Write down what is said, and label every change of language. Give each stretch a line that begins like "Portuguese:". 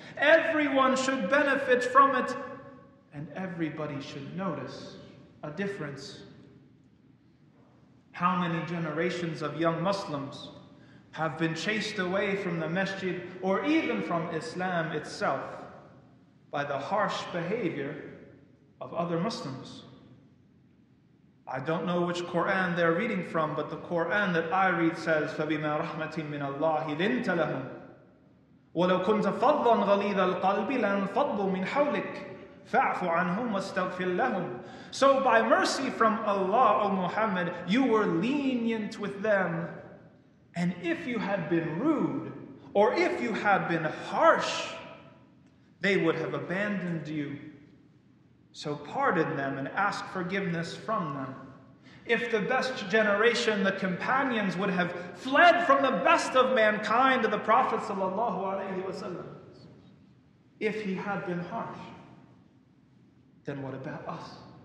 English: Everyone should benefit from it, and everybody should notice a difference. How many generations of young Muslims have been chased away from the masjid or even from Islam itself by the harsh behavior of other Muslims? I don't know which Quran they're reading from, but the Quran that I read says,
Arabic: فَبِمَا رَحْمَةٍ مِّنَ اللَّهِ لِنْتَ لَهُمْ وَلَوْ كُنْتَ فَضًّا غَلِيظَ الْقَلْبِ لَانْفَضُّوا مِنْ حَوْلِكَ فَاعْفُ عَنْهُمْ وَاسْتَغْفِرْ لَهُمْ.
English: So by mercy from Allah, O Muhammad, you were lenient with them. And if you had been rude, or if you had been harsh, they would have abandoned you. So pardon them and ask forgiveness from them. If the best generation, the companions, would have fled from the best of mankind, the Prophet ﷺ, if he had been harsh, then what about us?